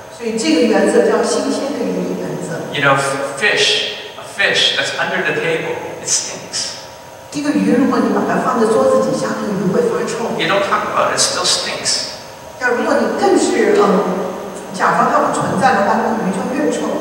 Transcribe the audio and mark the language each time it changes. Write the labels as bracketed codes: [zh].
[zh] 所以这个原则叫新鲜的鱼。 [en] You know, a fish that's under the table, it stinks. [zh] 一个鱼，如果你把它放在桌子底下，那个鱼会发臭。 [en] You don't talk about it, it still stinks. [zh] 但如果你更是假装它不存在的话，那个鱼就越臭。